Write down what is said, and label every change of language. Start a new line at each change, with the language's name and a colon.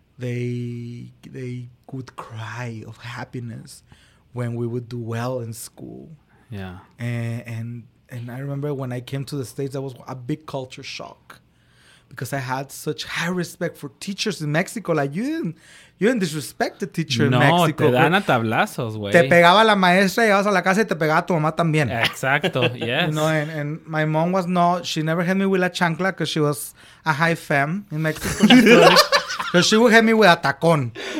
English: They would cry of happiness when we would do well in school. Yeah. And I remember when I came to the States, that was a big culture shock. Because I had such high respect for teachers in Mexico. Like, you didn't disrespect the teacher
Spanish: no,
English: in Mexico.
Spanish: No, te dan a tablazos, güey. Te pegaba la maestra, llegabas a la casa y te pegaba tu mamá también. Exacto, yes.
English: You know, and my mom was not... She never hit me with
Spanish: la chancla
English: because she was a high femme in Mexico. So she would hit me with a tacón.